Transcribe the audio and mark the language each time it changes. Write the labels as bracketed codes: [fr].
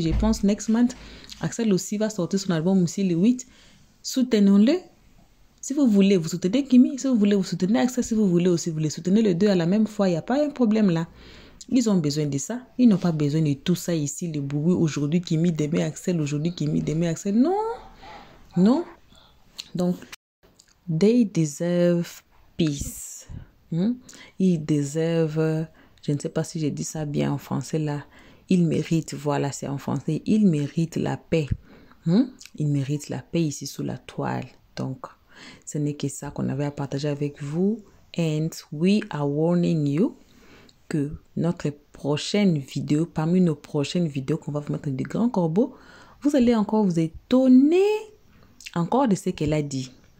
[fr] Je pense, [en] next month, [fr] Axel aussi va sortir son album aussi, le 8. Soutenons-le. Si vous voulez, vous soutenez Kimi. Si vous voulez, vous soutenez Axel. Si vous voulez aussi, vous les soutenez les deux à la même fois. Il n'y a pas un problème là. Ils ont besoin de ça. Ils n'ont pas besoin de tout ça ici. Le bruit aujourd'hui, Kimi, demain, Axel. Aujourd'hui, Kimi, demain, Axel. Non. Non. [en] Donc, they deserve peace. [fr] Ils deservent, je ne sais pas si j'ai dit ça bien en français là, ils méritent, voilà c'est en français, ils méritent la paix. Ils méritent la paix ici sous la toile. Donc, ce n'est que ça qu'on avait à partager avec vous. [en] And we are warning you [fr] que notre prochaine vidéo, parmi nos prochaines vidéos qu'on va vous mettre du grand corbeau, vous allez encore vous étonner encore de ce qu'elle a dit.